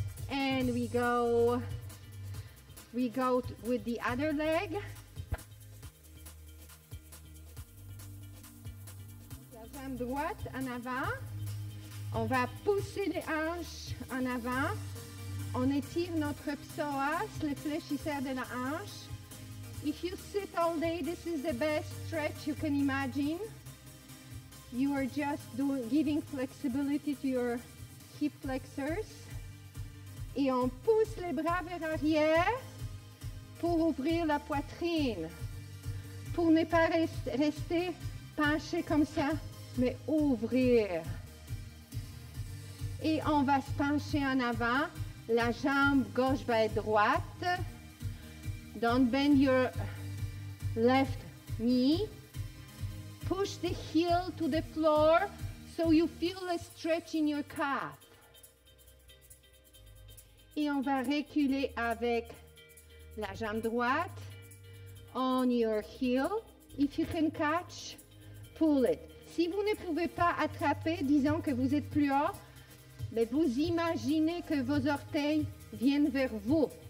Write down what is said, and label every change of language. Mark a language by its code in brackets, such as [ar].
[en] And we go with the other leg. [fr] La jambe droite en avant. On va pousser les hanches en avant. On étire notre psoas, le fléchisseur de la hanche. [en] If you sit all day, this is the best stretch you can imagine. You are just giving flexibility to your hip flexors. [fr] Et on pousse les bras vers arrière pour ouvrir la poitrine. Pour ne pas rester penché comme ça, mais ouvrir. Et on va se pencher en avant. La jambe gauche va être droite. [en] Don't bend your left knee. Push the heel to the floor so you feel a stretch in your calf. [fr] Et on va reculer avec la jambe droite. [en] On your heel. If you can catch, pull it. [fr] Si vous ne pouvez pas attraper, disons que vous êtes plus haut, mais vous imaginez que vos orteils viennent vers vous.